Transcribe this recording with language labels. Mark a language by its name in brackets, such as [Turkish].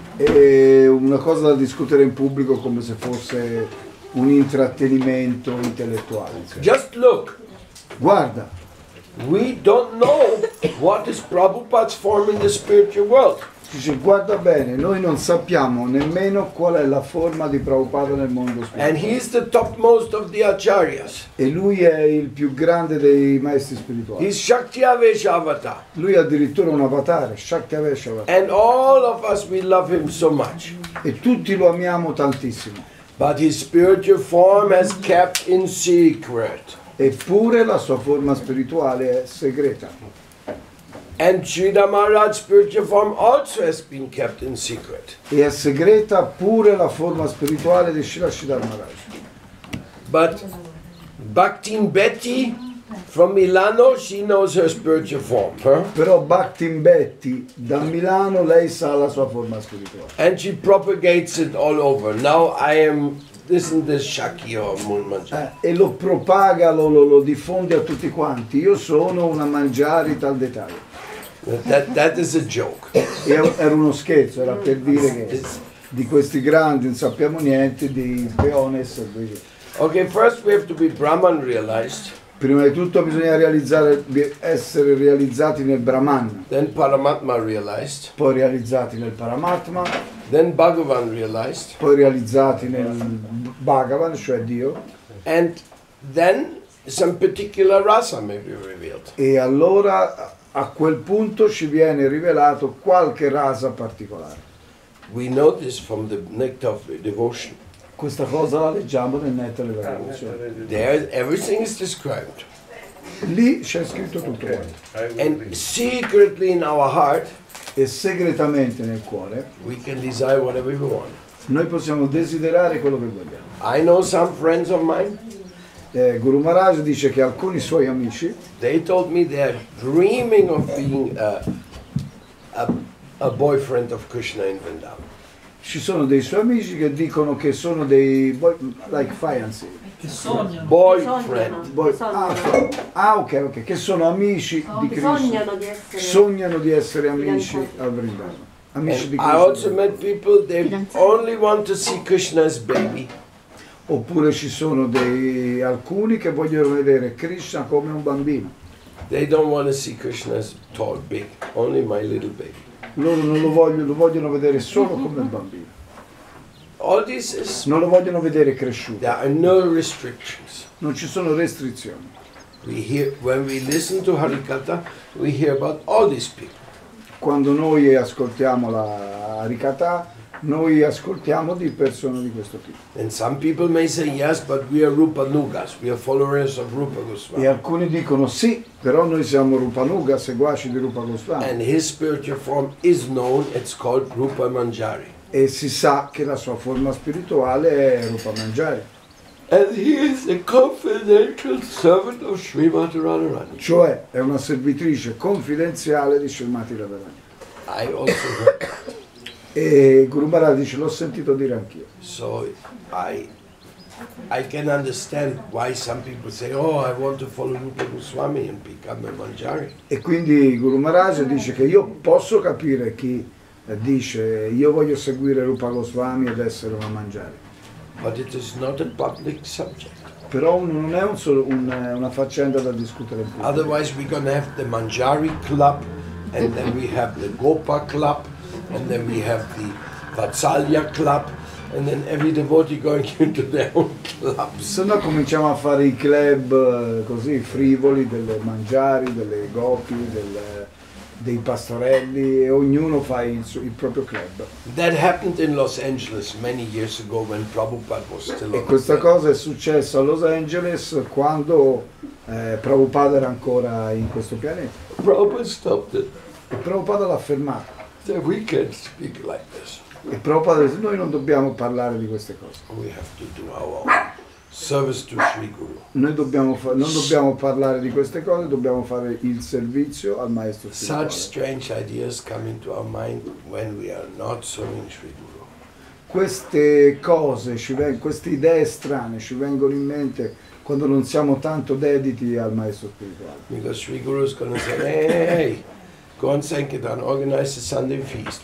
[Italian] È una cosa da discutere in pubblico come se fosse un intrattenimento intellettuale. Cioè. [English] Just look. [Italian] Guarda. [English] We don't know what is Prabhupada's form in the spiritual world. [Italian] Dice, guarda bene, noi non sappiamo nemmeno qual è la forma di Prabhupada nel mondo spirituale. [English] And he is the topmost of the acharyas. [Italian] E lui è il più grande dei maestri spirituali. [English] He's Shaktyavesh Avatar. [Italian] Lui è addirittura un avatar, Shaktyavesh Avatar. [English] And all of us we love him so much. [Italian] E tutti lo amiamo tantissimo. [English] But his spiritual form has kept in secret. [Italian] Eppure la sua forma spirituale è segreta. [English] And Shrida Maharaj's spiritual form also has been kept in secret. [Italian] E è segreta pure la forma spirituale di Shrida Shrida Maharaj. [English] But Bhaktin Betty from Milano, she knows her spiritual form. Huh? [Italian] Però Bhaktin Betty da Milano, lei sa la sua forma spirituale. [English] And she propagates it all over. Now I am this and this Shakya or Mulmanjari. [Italian] E lo propaga, lo diffonde a tutti quanti. Io sono una Manjari tal dettaglio. [English] That is a joke. [Italian] Era uno scherzo, era per dire che di questi grandi non sappiamo niente, di peones. [English] Okay, first we have to be Brahman realized. [Italian] Prima di tutto bisogna realizzare, essere realizzati nel Brahman. [English] Then Paramatma realized. [Italian] Poi realizzati nel Paramatma. [English] Then Bhagavan realized. [Italian] Poi realizzati nel Bhagavan, cioè Dio. [English] And then some particular rasa may be revealed. [Italian] E allora a quel punto ci viene rivelato qualche rasa particolare. [English] We know this from the nectar of devotion. [Italian] Questa cosa la leggiamo nel nectar della devozione. [English] There everything is described. [Italian] Lì c'è scritto tutto. Okay. [English] And secretly in our heart, [Italian] e segretamente nel cuore, [English] we can desire whatever we want. [Italian] Noi possiamo desiderare quello che vogliamo. [English] I know some friends of mine. [Italian] Guru Maharaj dice che alcuni suoi amici, [English] they told me they are dreaming of being a boyfriend of Krishna in Vrindavan. [Italian] Ci sono dei suoi amici che dicono che sono dei [English] boy, like [Italian] fiancé. Che sogno. [English] Boyfriend. [Italian] Ok. Che sono amici di Krishna. Sognano di essere amici a Vrindavan. Amici di Krishna. [English] I also met people they only want to see Krishna's baby. [Italian] Oppure ci sono alcuni che vogliono vedere Krishna come un bambino. [English] They don't want to see Krishna as tall, big, only my little baby. [Italian] Loro non lo vogliono vedere solo come un bambino. [English] All this is, [Italian] non lo vogliono vedere cresciuto. [English] There are no restrictions. [Italian] Non ci sono restrizioni. [English] We hear, when we listen to Harikatha, we hear about all these people. [Italian] Quando noi ascoltiamo la Harikatha, noi ascoltiamo di persone di questo tipo. [English] And some people may say yes, but we are Rupanugas, we are followers of Rupa Goswami. [Italian] E alcuni dicono sì, però noi siamo Rupanugas, seguaci di Rupa Goswami. [English] And his spiritual form is known, it's called Rupa Manjari. [Italian] E si sa che la sua forma spirituale è Rupa Manjari. [English] And he is a confidential servant of Srimati Radharani. [Italian] Cioè è una servitrice confidenziale di Srimati Radharani. [English] I also heard. [Italian] E Guru Maharaj dice, l'ho sentito dire anch'io. [English] So I can understand why some people say, oh, I want to follow Rupa Goswami and become a manjari. [Italian] E quindi Guru Maharaj dice che io posso capire chi dice, io voglio seguire Rupa Goswami ed essere una manjari. [English] But it is not a public subject. [Italian] Però non è una faccenda da discutere in pubblico. [English] Otherwise we're gonna have the manjari club, and then we have the Gopa club, and then we have the Vatsalya club. And then every devotee going into their own clubs. [Italian] Se no cominciamo a fare i club così frivoli delle mangiari, delle gopi, dei pastorelli, e ognuno fa il proprio club. [English] That happened in Los Angeles many years ago when Prabhupada was still alive. [Italian] E questa cosa è successa a Los Angeles quando Prabhupada era ancora in questo pianeta. [English] Prabhupada stopped it. [Italian] E Prabhupada l'ha fermato. [English] That we can't speak like this. [Italian] E proprio noi non dobbiamo parlare di queste cose. [English] We have to do our service to Sri Guru. [Italian] Noi non dobbiamo parlare di queste cose, dobbiamo fare il servizio al maestro Sri [English] Guru. Such strange ideas come into our mind when we are not serving Sri Guru. [Italian] Queste cose queste idee strane ci vengono in mente quando non siamo tanto dediti al maestro spirituale. [English] Because Sri Guru is going to say, hey, go and Sankirtan, organize the Sunday feast.